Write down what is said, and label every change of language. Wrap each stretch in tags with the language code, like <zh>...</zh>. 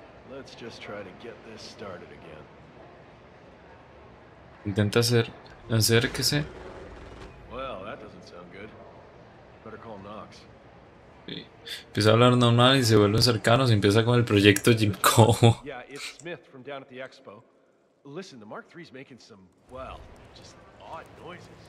<en>Let's just try to get this started again.</en> <es>Intenta hacer, acérquese.</es> <en>Well, that doesn't sound good. Better call Knox.</en> <es>Empieza a hablar normal y se vuelven cercanos y empieza con el proyecto Jim Cobo.</es> <en>Yeah, it's Smith from down at the expo. Listen, the Mark III's making some, well, just odd noises.</en>